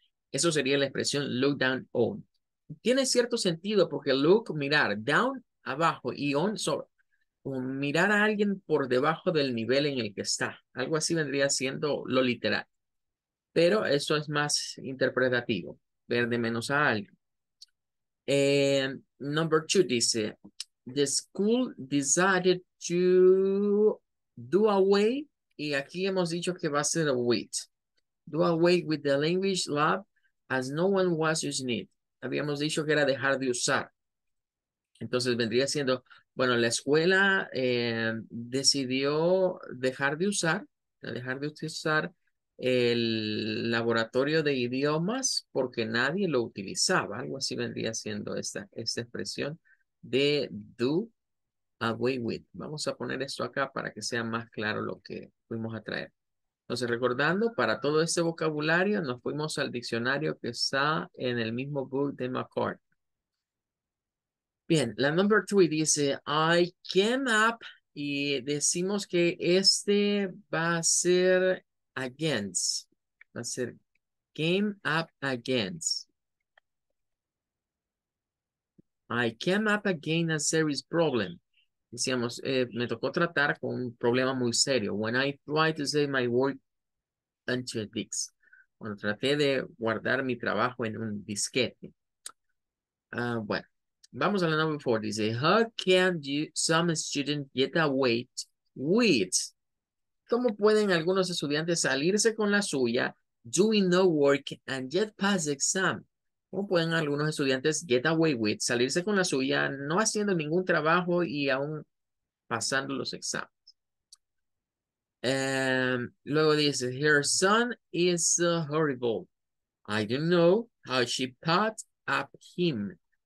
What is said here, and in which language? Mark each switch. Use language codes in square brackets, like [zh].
[es] Eso sería la expresión look down on. Tiene cierto sentido porque look, mirar, down, abajo y on, solo. O mirar a alguien por debajo del nivel en el que está. Algo así vendría siendo lo literal. Pero eso es más interpretativo. Ver de menos a alguien. [en] Number two dice: The school decided to do away. [es] Y aquí hemos dicho que va a ser with. [en] Do away with the language lab as no one was using it. [es] Habíamos dicho que era dejar de usar. Entonces vendría siendo. Bueno, la escuela decidió dejar de utilizar el laboratorio de idiomas porque nadie lo utilizaba. Algo así vendría siendo esta expresión de do away with. Vamos a poner esto acá para que sea más claro lo que fuimos a traer. Entonces, recordando, para todo este vocabulario nos fuimos al diccionario que está en el mismo book de McCart. Bien, la number three dice, I came up y decimos que este va a ser against. Va a ser came up against. [en] I came up against a serious problem. [es] Decíamos, me tocó tratar con un problema muy serio. [en] When I tried to save my work into a disk. [es] Cuando traté de guardar mi trabajo en un disquete. Bueno. Vamos a la number four. [en] Dice, how can you, some students get away with? [es] ¿Cómo pueden algunos estudiantes salirse con la suya [en] doing no work and yet pass the exam? [es] ¿Cómo pueden algunos estudiantes get away with salirse con la suya no haciendo ningún trabajo y aún pasando los exámenes? Luego dice, [en] her son is horrible. I don't know how she put up him.